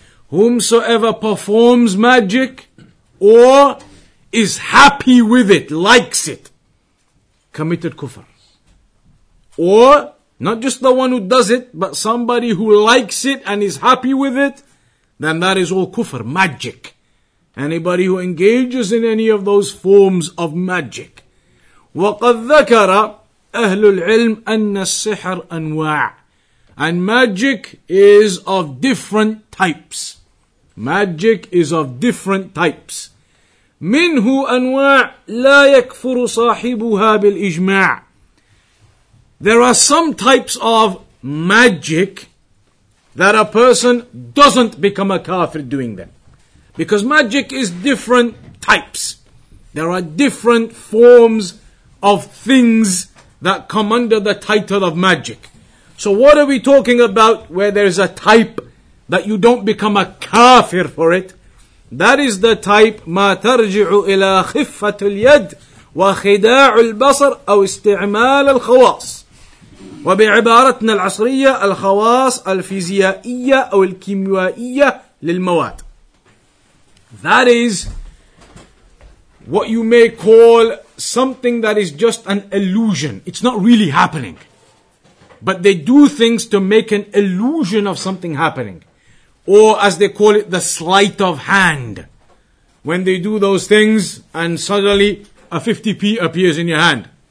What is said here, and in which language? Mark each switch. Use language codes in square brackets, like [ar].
[en] Whomsoever performs magic or is happy with it, likes it, committed kufr. Or not just the one who does it, but somebody who likes it and is happy with it, then that is all kufr, magic. Anybody who engages in any of those forms of magic. [ar] وقد ذكر أهل العلم أن السحر أنواع. [en] And magic is of different types. Magic is of different types. [ar] منه أنواع لا يكفر صاحبها بالإجماع. [en] There are some types of magic that a person doesn't become a kafir doing them. Because magic is different types. There are different forms of things that come under the title of magic. So what are we talking about where there is a type that you don't become a kafir for it? That is the type, [ar] ما ترجع إلى خفة اليد وخداع البصر أو استعمال الخواص. وبعبارتنا العصرية الخواص الفيزيائية أو الكيميائية للمواد. [en] That is what you may call something that is just an illusion. It's not really happening. But they do things to make an illusion of something happening. Or as they call it, the sleight of hand. When they do those things and suddenly a 50p appears in your hand.